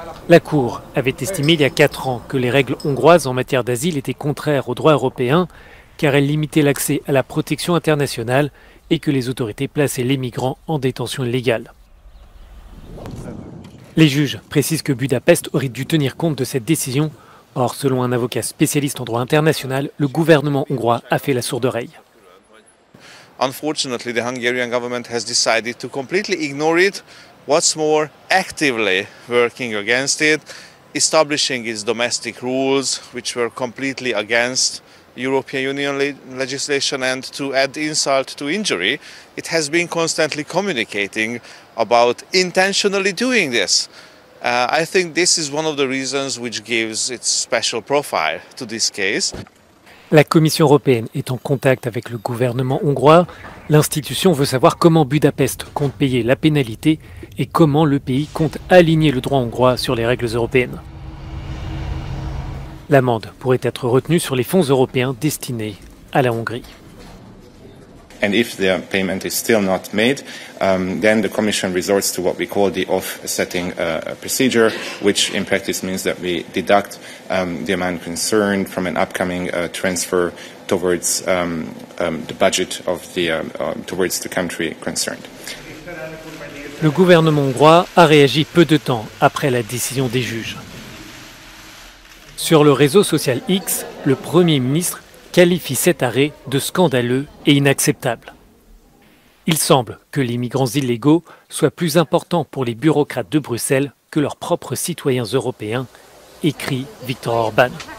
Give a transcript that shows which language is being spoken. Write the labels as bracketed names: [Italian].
[French] La Cour avait estimé il y a 4 ans que les règles hongroises en matière d'asile étaient contraires au droit européen car elles limitaient l'accès à la protection internationale et que les autorités plaçaient les migrants en détention illégale. Les juges précisent que Budapest aurait dû tenir compte de cette décision. Or, selon un avocat spécialiste en droit international, le gouvernement hongrois a fait la sourde oreille. [English] Unfortunately, the Hungarian government has decided to completely ignore it. What's more, actively working against it, establishing its domestic rules, which were completely against European Union legislation, and to add insult to injury, it has been constantly communicating about intentionally doing this. I think this is one of the reasons which gives its special profile to this case. [French] La Commission européenne est en contact avec le gouvernement hongrois. L'institution veut savoir comment Budapest compte payer la pénalité et comment le pays compte aligner le droit hongrois sur les règles européennes. L'amende pourrait être retenue sur les fonds européens destinés à la Hongrie. [English] And if the payment is still not made, then the Commission resorts to what we call the offsetting procedure, which in practice means that we deduct the amount concerned from an upcoming transfer towards the budget of the towards the country concerned. [French] Le gouvernement hongrois a réagi peu de temps après la décision des juges. Sur le réseau social X, le Premier ministre qualifie cet arrêt de scandaleux et inacceptable. Il semble que les migrants illégaux soient plus importants pour les bureaucrates de Bruxelles que leurs propres citoyens européens, écrit Viktor Orban.